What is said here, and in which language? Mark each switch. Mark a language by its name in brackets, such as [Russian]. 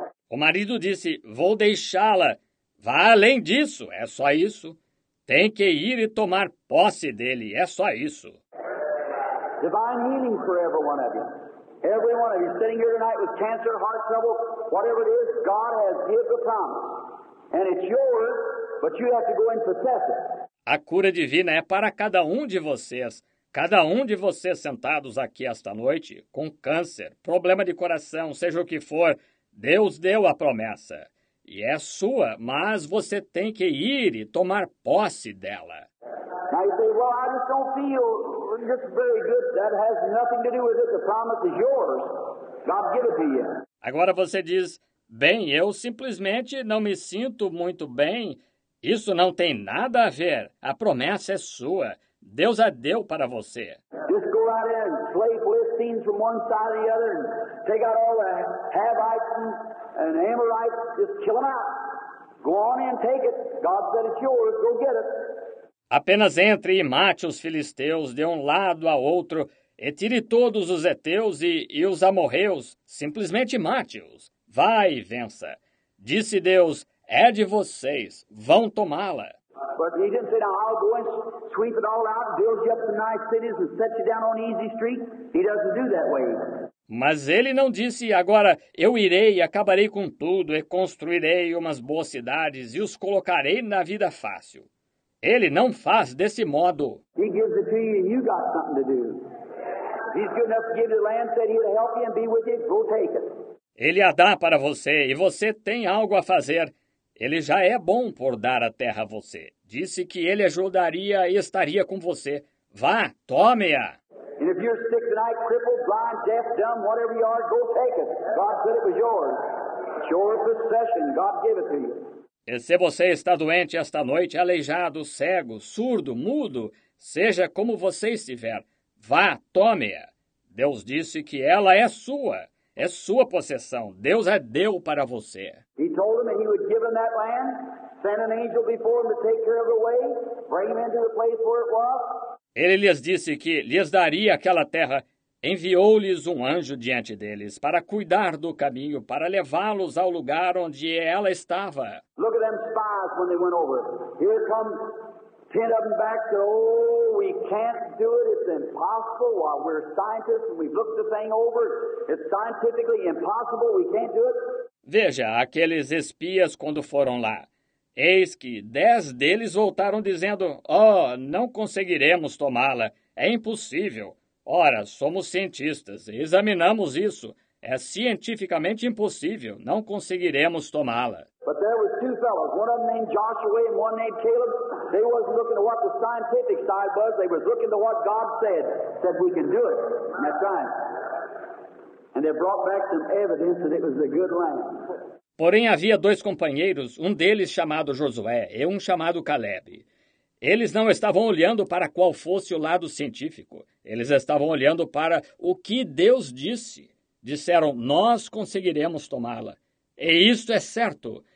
[Portuguese] O marido disse, vou deixá-la. Vá além disso, é só isso. Tem que ir e tomar posse dele, é só isso. [English] Divine healing for everyone of you. Every one of you sitting here tonight with cancer, heart trouble, whatever it is, God has given the promise. And it's yours, but you have to go and possess it. [Portuguese] A cura divina é para cada um de vocês. Cada um de vocês sentados aqui esta noite, com câncer, problema de coração, seja o que for, Deus deu a promessa. E é sua, mas você tem que ir e tomar posse dela. [English] Now you say, well, I just don't feel... That's very good. That has nothing to do with it. The promise is yours. God give it to you. [Portuguese] Agora você diz, bem, eu simplesmente não me sinto muito bem. Isso não tem nada a ver. A promessa é sua. Deus a deu para você. [English] Just go right in, slay Philistines from one side to the other, and take out all the Havites and Amorites. Just kill them out. Go on in, take it. God said it's yours. Go get it. [Portuguese] Apenas entre e mate os filisteus de um lado a outro, e tire todos os heteus e os amorreus, simplesmente mate-os. Vai e vença. Disse Deus, é de vocês, vão tomá-la. [English] But he didn't say, I'll go and sweep it all out, build you up some nice cities and set you down on easy street. He doesn't do that way. [Portuguese] Mas ele não disse, agora eu irei e acabarei com tudo e construirei umas boas cidades e os colocarei na vida fácil. Ele não faz desse modo. [English] He gives it to you and you got something to do. He's good enough to give you the land, said he'll help you and be with you. Go take it. [Portuguese] Ele a dá para você e você tem algo a fazer. Ele já é bom por dar a terra a você. Disse que ele ajudaria e estaria com você. Vá, tome-a. [English] And if you're sick tonight, crippled, blind, deaf, dumb, whatever you are, go take it. God said it was yours. It's your possession. God gave it to you. [Portuguese] E se você está doente esta noite, aleijado, cego, surdo, mudo, seja como você estiver, vá, tome-a. Deus disse que ela é sua possessão. Deus a deu para você. [English] He told him that he would give him that land, send an angel before him to take care of the way, bring him into the place where it was. [Portuguese] Ele lhes disse que lhes daria aquela terra, enviou-lhes um anjo diante deles para cuidar do caminho, para levá-los ao lugar onde ela estava. [English] Look at them spies when they went over. Here come 10 of them back said, oh, we can't do it. It's impossible. While we're scientists and we've looked the thing over, it's scientifically impossible. We can't do it. [Portuguese] Veja, aqueles espias quando foram lá. Eis que 10 deles voltaram dizendo, oh, não conseguiremos tomá-la. É impossível. Ora, somos cientistas. Examinamos isso. É cientificamente impossível. Não conseguiremos tomá-la. [English] But there was two fellows, one of them named Joshua and one named Caleb. They wasn't looking to what the scientific side was. They was looking to what God said, that we can do it. And that's right. And they brought back some evidence that it was a good land. [Portuguese] Porém, havia dois companheiros, um deles chamado Josué e um chamado Caleb. Eles não estavam olhando para qual fosse o lado científico. Eles estavam olhando para o que Deus disse. Disseram, nós conseguiremos tomá-la. E isto é certo.